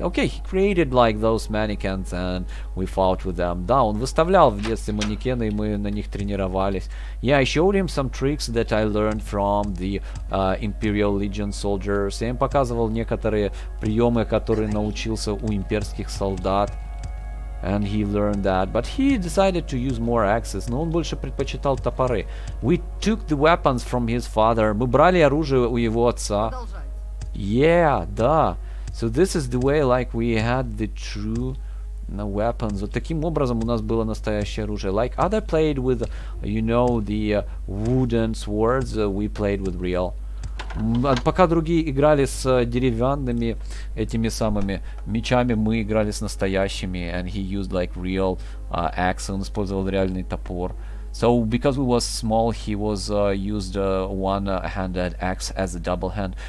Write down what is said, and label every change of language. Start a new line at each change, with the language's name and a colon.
English: Okay, he created like those mannequins and we fought with them.
Russian: Да, он выставлял в детстве манекены и мы на них тренировались.
English: Yeah, I showed him some tricks that I learned from the Imperial Legion soldiers.
Russian: Я им показывал некоторые приемы, которые научился у имперских солдат.
English: And he learned that, but he decided to use more axes.
Russian: Но он больше предпочитал топоры.
English: We took the weapons from his father.
Russian: Мы брали оружие у его отца.
English: Yeah, да. So this is the way, like, we had the true weapons.
Russian: Вот таким образом у нас было настоящее оружие.
English: Like, other played with, you know, the wooden swords, we played with real.
Russian: Пока другие играли с деревянными этими самыми мечами, мы играли с настоящими.
English: And he used, like, real axe.
Russian: Он использовал реальный топор.
English: So, because we was small, he was used one-handed axe as a double hand.